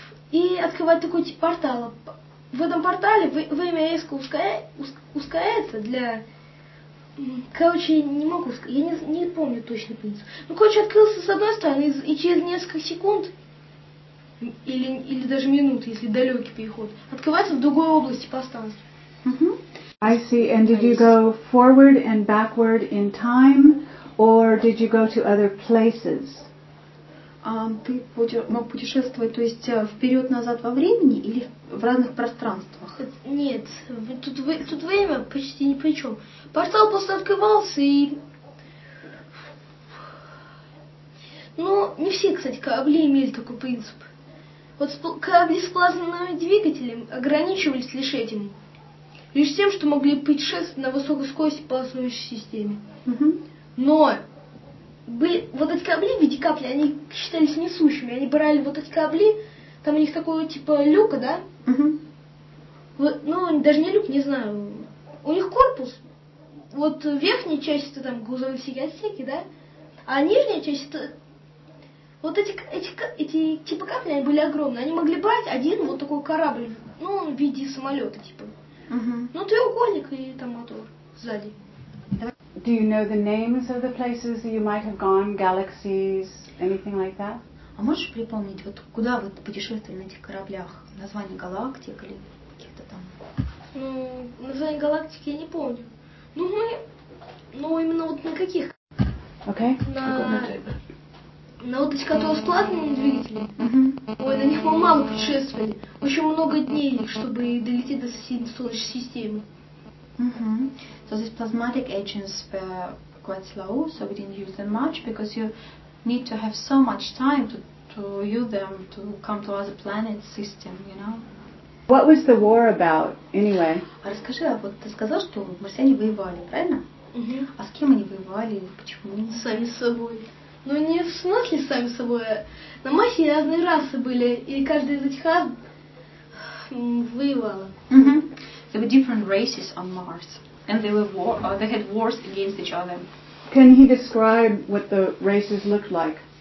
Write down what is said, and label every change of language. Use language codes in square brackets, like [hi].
[ru] И открывает такой тип портала. В этом портале время резко ускоряется для... Короче, не могу сказать. Я не помню точно принцип. Открылся с одной стороны, и через несколько секунд, или даже минут, если далекий переход, открывается в другой области пространства. [en] I see. And did you go forward and backward in time, or did you go to other places? [ru] Ты мог путешествовать, то есть вперед-назад во времени или в разных пространствах? Нет, тут время почти ни при чем. Портал просто открывался и... Ну, не все, кстати, корабли имели такой принцип. Вот корабли с плазменным двигателем ограничивались лишь этим. Лишь тем, что могли путешествовать на высокой скорости по плазменной системе. Но... Вот эти корабли в виде капли, они считались несущими. Они брали вот эти корабли, там у них такой типа люк, да? Даже не люк, не знаю. У них корпус. Вот верхняя часть это там грузовые всякие отсеки, да? А нижняя часть это... Вот эти типа капли, они были огромные. Они могли брать один вот такой корабль, в виде самолета типа. Треугольник и там мотор сзади. [en] Do you know the names of the places that you might have gone, galaxies, anything like that? [ru] А можешь припомнить, вот куда вы путешествовали на этих кораблях? Название галактик или каких-то там? Название галактики я не помню. Именно вот на каких? [en] Okay. [ru] На вот эти, которые с плазменным двигателем. На них мы мало путешествовали. Очень много дней, чтобы долететь до соседней Солнечной системы. [en] So these plasmatic agents were quite slow, so we didn't use them much because you need to have so much time to use them to come to other planet system, you know. What was the war about anyway? [ru] А расскажи, а вот ты сказал, что марсиане воевали, правильно? А с кем они воевали и почему? Сами с собой. Не в смысле сами с собой, а на Марсе разные расы были, и каждая из этих рас воевала. [en] There were different races on Mars, and they were they had wars against each other. Can he describe what the races looked like?